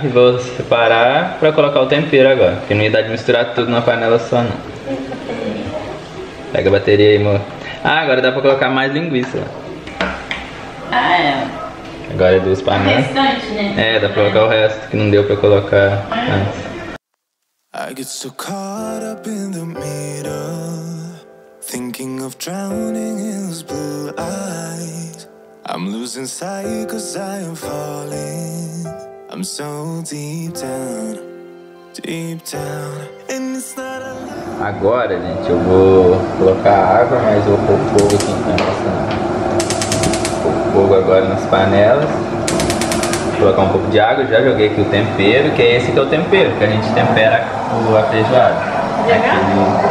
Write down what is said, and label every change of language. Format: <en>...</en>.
<pt>E vou separar pra colocar o tempero agora. Porque não ia dar de misturar tudo numa panela só, não. Pega a bateria aí, amor. Ah, agora dá pra colocar mais linguiça. Ah, é. Agora é duas panelas. O restante, né? É, dá pra colocar o resto que não deu pra colocar antes.</pt> <en>I get so caught up in the middle, thinking of drowning in his blue eyes. I'm losing sight cause I am falling. I'm so deep down, deep down. And it's not a...</en> <pt>Agora, gente, eu vou colocar água, mas eu vou pôr fogo aqui em casa. Vou pôr fogo agora nas panelas. Vou colocar um pouco de água, já joguei aqui o tempero, que é esse que é o tempero, que a gente tempera o feijoada. Aquele</pt>